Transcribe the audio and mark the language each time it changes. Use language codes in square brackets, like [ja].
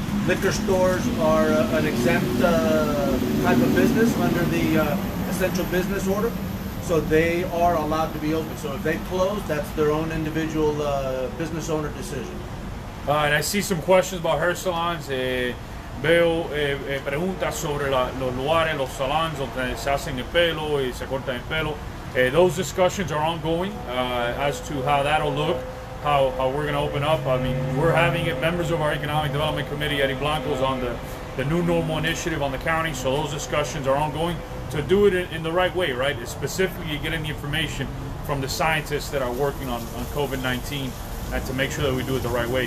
[en] Liquor stores are an exempt type of business under the essential business order, so they are allowed to be open. So if they close, that's their own individual business owner decision. And I see some questions about hair salons. [es] Veo preguntas sobre los lugares, los salones donde se hacen el pelo y se cortan el pelo. [en] Those discussions are ongoing as to how that'll look, how we're going to open up. I mean, we're having it. Members of our Economic Development Committee, Eddie Blanco's on the New Normal Initiative on the county, so those discussions are ongoing to do it in the right way, right? Specifically getting the information from the scientists that are working on COVID-19 and to make sure that we do it the right way.